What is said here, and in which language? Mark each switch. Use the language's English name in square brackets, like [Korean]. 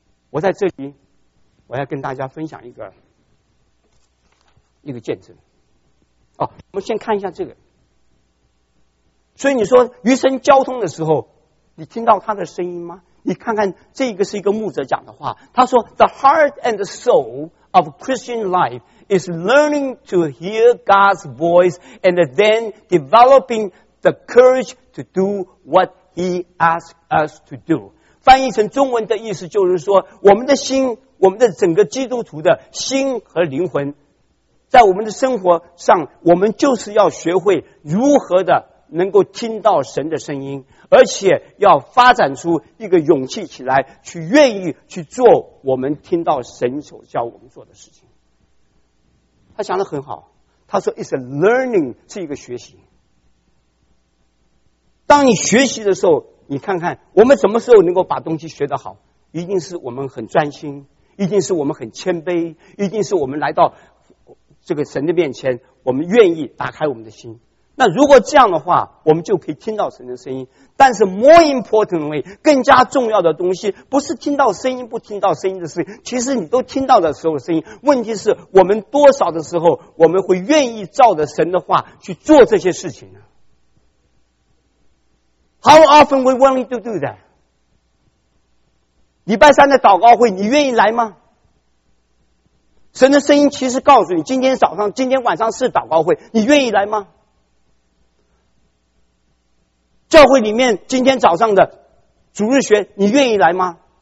[Chinese] 我在这里我要跟大家分享一个见证。哦，我们先看一下这个。所以你说余生交通的时候，你听到他的声音吗？你看看，这个是一个牧者讲的话，他说 [English] The heart and the soul of Christian life is learning to hear God's voice and then developing the courage to do [Chinese] what he asks us to do。翻译成中文的意思就是说，我们的心，我们的整个基督徒的心和灵魂，在我们的生活上，我们就是要学会如何的能够听到神的声音，而且要发展出一个勇气起来，去愿意去做我们听到神所教我们做的事情。他讲得很好，他说 [English] It's a learning， [Chinese] 是一个学习。当你学习的时候，你看看我们什么时候能够把东西学得好，一定是我们很专心，一定是我们很谦卑，一定是我们来到这个神的面前，我们愿意打开我们的心。那如果这样的话，我们就可以听到神的声音。但是 [English] more importantly， [Chinese] 更加重要的东西，不是听到声音不听到声音的事情，其实你都听到的时候声音，问题是我们多少的时候我们会愿意照着神的话去做这些事情呢？ [English] How often we willing to do that？ [Chinese] 礼拜三的祷告会你愿意来吗？神的声音其实告诉你，今天早上今天晚上是祷告会，你愿意来吗？教会里面今天早上的主日学，你愿意来吗？